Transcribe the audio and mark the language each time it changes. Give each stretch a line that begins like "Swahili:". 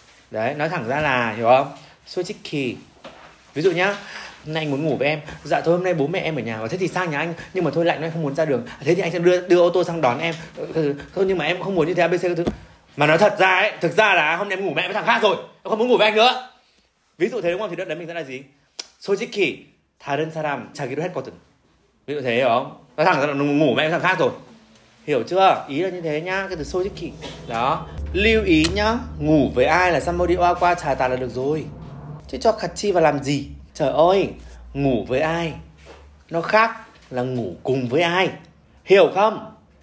Vietnamese: Đấy, nói thẳng ra là, hiểu không? Sojikhi. Ví dụ nhá, hôm nay anh muốn ngủ với em. Dạ thôi, hôm nay bố mẹ em ở nhà. Thế thì sang nhà anh, nhưng mà thôi lạnh nên không muốn ra đường. Thế thì anh sẽ đưa ô tô sang đón em. Thôi nhưng mà em không muốn như thế ABC thứ. Mà nói thật ra ấy, thực ra là hôm nay em ngủ mẹ với thằng khác rồi, em không muốn ngủ với anh nữa. Ví dụ thế đúng không? Thì đợt đấy mình sẽ là gì?
Korean: 솔직히 다른 사람 자기로 했거든.
Vietnamese: Ví dụ thế hiểu không? Nói thẳng là ngủ mẹ với thằng khác rồi. Hiểu chưa? Ý là như thế nhá, cái từ 솔직히. Đó. Lưu ý nhá, ngủ với ai là somebody qua qua trà tà là được rồi. Chứ cho khách chi vào làm gì? Trời ơi, ngủ với ai nó khác là ngủ cùng với ai. Hiểu không?